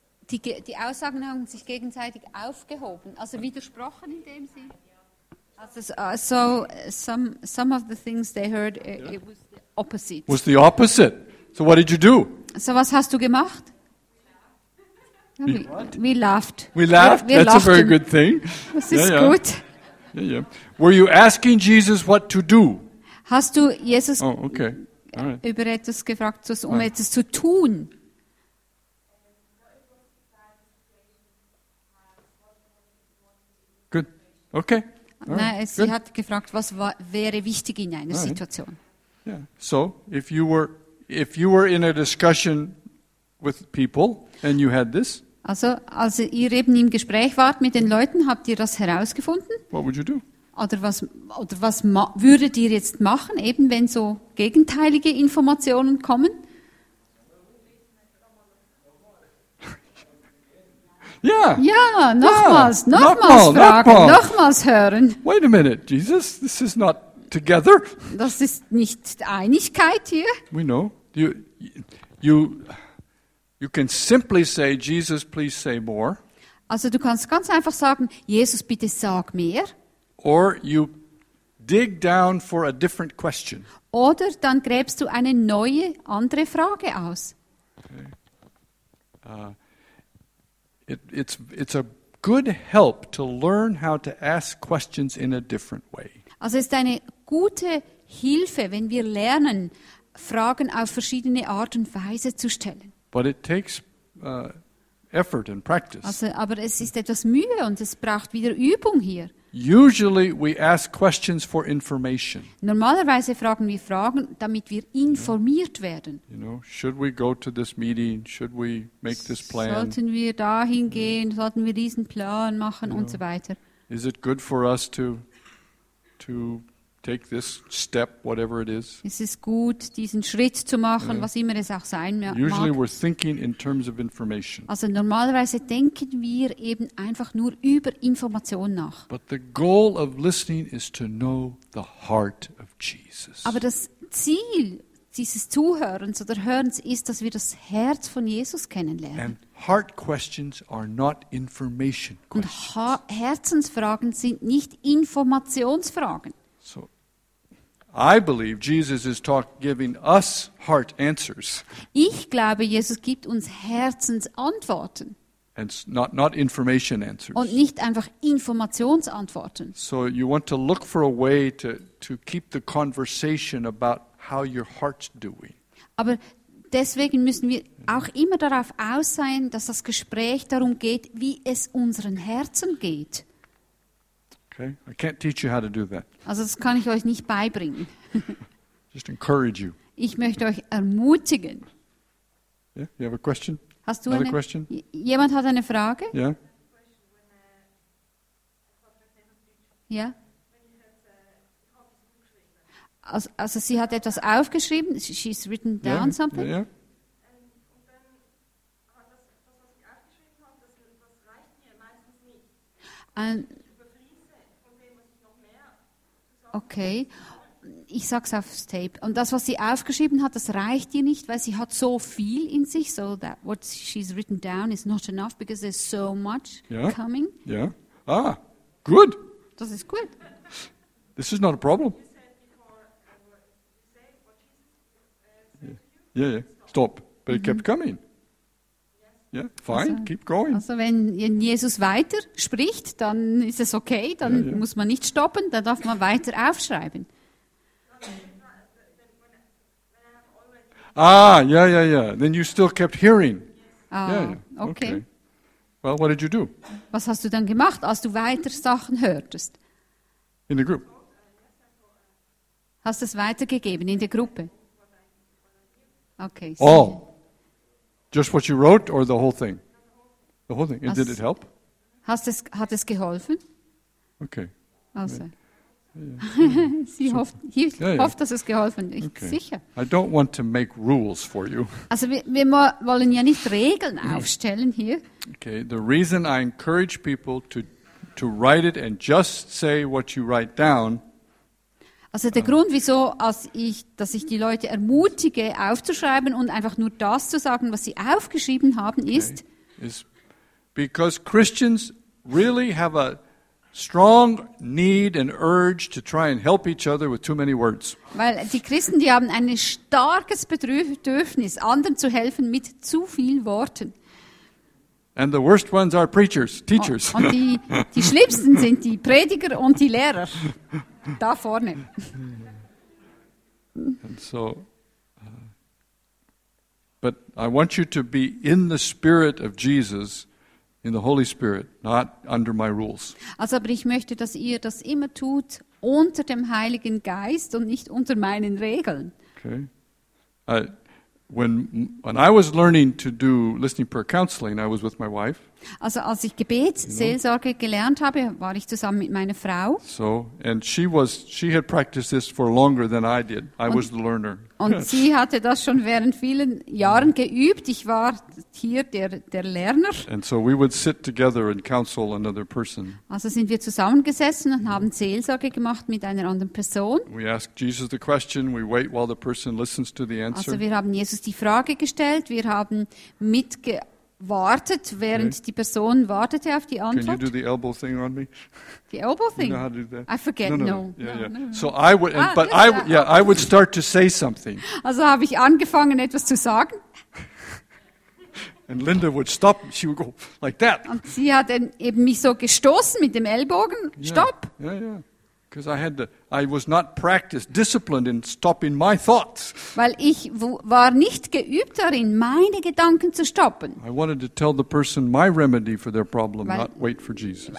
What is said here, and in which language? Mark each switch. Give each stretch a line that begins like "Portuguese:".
German: die Aussagen haben sich gegenseitig aufgehoben, also widersprochen in dem Sinn.
English: So some of the things they heard, it was the opposite. Was the opposite. So what did you do?
German: So was hast du gemacht?
English: We laughed. We laughed. That's a very good thing.
German: Das ist gut.
English: Yeah, yeah. Were you asking Jesus what to do?
German: Hast du Jesus
English: okay. Right.
German: Über etwas gefragt, etwas zu tun?
English: Good. Okay.
German: Nein, right. Sie hat gefragt, was wäre wichtig in einer Situation.
English: Yeah. So, if you were in a discussion with people and you had this.
German: Also, als ihr eben im Gespräch wart mit den Leuten, habt ihr das herausgefunden?
English: What would you do?
German: Oder was würdet ihr jetzt machen, eben wenn so gegenteilige Informationen kommen? Ja. Ja, nochmals, ja. Nochmals fragen, nochmals hören.
English: Wait a minute, Jesus, this is not together.
German: Das ist nicht Einigkeit hier.
English: We know. You can simply say, Jesus, please say more.
German: Also du kannst ganz einfach sagen, Jesus, bitte sag mehr.
English: Or you dig down for a different question.
German: Oder dann gräbst du eine neue, andere Frage aus.
English: Okay. It's a good help to learn how to ask questions in a different way.
German: Also ist eine gute Hilfe, wenn wir lernen, Fragen auf verschiedene Art und Weise zu stellen.
English: But it takes effort and practice.
German: Also, aber es ist etwas Mühe und es braucht wieder Übung hier.
English: Usually we ask questions for information.
German: Normalerweise fragen wir Fragen, damit wir informiert werden.
English: You know, should we go to this meeting? Should we make this plan?
German: Sollten wir dahin gehen? Sollten wir diesen Plan machen?
English: You know,
German: und so weiter.
English: Is it good for us to take this step, whatever it is?
German: Ist es gut, diesen Schritt zu machen, was immer es auch sein mag?
English: Usually we're thinking in terms of information.
German: Also normalerweise denken wir eben einfach nur über Information nach.
English: But the goal of listening is to know the heart of Jesus.
German: Aber das Ziel dieses Zuhörens oder Hörens ist, dass wir das Herz von Jesus kennenlernen.
English: And heart questions are not information questions.
German: Und Herzensfragen sind nicht Informationsfragen.
English: So, I believe Jesus is giving us heart answers.
German: Ich glaube, Jesus gibt uns Herzensantworten.
English: And not information answers.
German: Und nicht einfach Informationsantworten.
English: So you want to look for a way to keep the conversation about how your heart's doing.
German: Aber deswegen müssen wir auch immer darauf aus sein, dass das Gespräch darum geht, wie es unseren Herzen geht.
English: Okay, I can't teach you how to do that.
German: Also das kann ich euch nicht beibringen.
English: Just encourage you.
German: Ich möchte euch ermutigen.
English: Yeah, you have a question?
German: Hast du eine question? Jemand hat eine Frage? Ja. Ja. Also sie hat etwas aufgeschrieben.
English: She's written down something. Yeah.
German: Okay, ich sag's aufs Tape. Und das, was sie aufgeschrieben hat, das reicht ihr nicht, weil sie hat so viel in sich.
English: So that what she's written down is not enough because there's so much coming. Yeah. Ah, good.
German: Das ist gut.
English: This is not a problem. Yeah. Stop. But it kept coming. Yeah, fine, also, keep going.
German: Also wenn Jesus weiter spricht, dann ist es okay, dann muss man nicht stoppen, dann darf man weiter aufschreiben.
English: Ah, yeah. Then you still kept hearing. Okay. Well, what did you do?
German: Was hast du dann gemacht, als du weiter Sachen hörtest?
English: In the group.
German: Hast du es weitergegeben in der Gruppe?
English: Okay. Oh. Just what you wrote or the whole thing? The whole thing. Did it help?
German: Hat es geholfen?
English: Okay.
German: Also. Sie hofft, dass es geholfen ist. Okay. Sicher.
English: I don't want to make rules for you.
German: Also wir wollen ja nicht Regeln aufstellen hier.
English: Okay. The reason I encourage people to write it and just say what you write down.
German: Also der Grund, wieso dass ich die Leute ermutige, aufzuschreiben und einfach nur das zu sagen, was sie aufgeschrieben haben, ist,
English: Because Christians really have a strong need and urge to try and help each other with too many words.
German: Weil die Christen, die haben ein starkes Bedürfnis, anderen zu helfen mit zu vielen Worten.
English: And the worst ones are preachers, teachers.
German: Und die schlimmsten sind die Prediger und die Lehrer da vorne.
English: And so, but I want you to be in the spirit of Jesus, in the Holy Spirit, not under my rules.
German: Also, aber ich möchte, dass ihr das immer tut unter dem Heiligen Geist und nicht unter meinen Regeln.
English: Okay. When I was learning to do listening prayer counseling, I was with my wife.
German: Also, als ich Gebetsseelsorge gelernt habe, war ich zusammen mit meiner Frau.
English: So, and she had practiced this for longer than I did. I was the learner.
German: Und sie hatte das schon während vielen Jahren geübt. Ich war hier der Lerner.
English: And so we would sit together and counsel another person.
German: Also sind wir zusammengesessen und haben Seelsorge gemacht mit einer anderen Person.
English: We ask Jesus the question. We wait while the person listens to the answer.
German: Also wir haben Jesus die Frage gestellt. Wir haben wartet, während okay. Die Person wartete auf die Antwort.
English: Can you do the elbow thing on me? The elbow thing? You know how to do that? I forget, no. So I would, I would start to say something. Also habe ich angefangen, etwas zu sagen. And Linda would stop, she would go like that. Und sie hat eben mich so gestoßen mit dem Ellbogen, stopp. Because I was not practiced, disciplined in stopping my thoughts. Weil ich war nicht geübt darin, meine Gedanken zu stoppen. I wanted to tell the person my remedy for their problem, not wait for Jesus.